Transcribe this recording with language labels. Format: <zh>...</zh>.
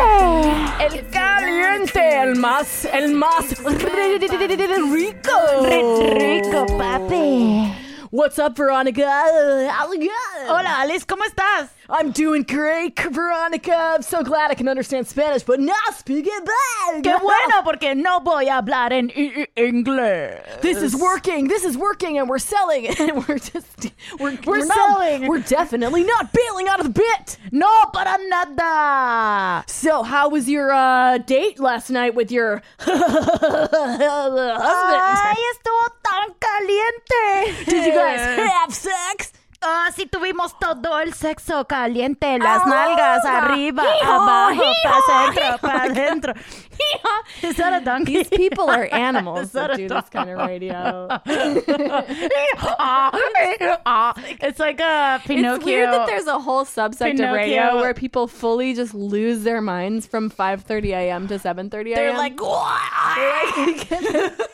<es>El caliente. El más rico. Rico, papi.</es> <en>What's up, Veronica?</en> <es>Hola, Alice. ¿Cómo estás?</es> <en>I'm doing great, Veronica. I'm so glad I can understand Spanish, but no speak it back.</en> <es>Qué bueno, porque no voy a hablar en inglés.</es> <en>This is working. This is working, and we're selling it. And we're selling. We're definitely not bailing out of the bit.</en> <es>No, para nada.</es> <en>So, how was your date last night with your husband?</en> <es>Ay, estuvo tan caliente.</es> <en>Did you guys have sex?</en> <es>Sí, tuvimos todo el sexo caliente, las nalgas arriba, abajo, para adentro, para adentro.</es> <en>Is that a donkey? These people are animals that do this kind of radio. It's like a Pinocchio. It's weird that there's a whole subsect of radio where people fully just lose their minds from 5:30 a.m. to 7:30 a.m. They're like,</en>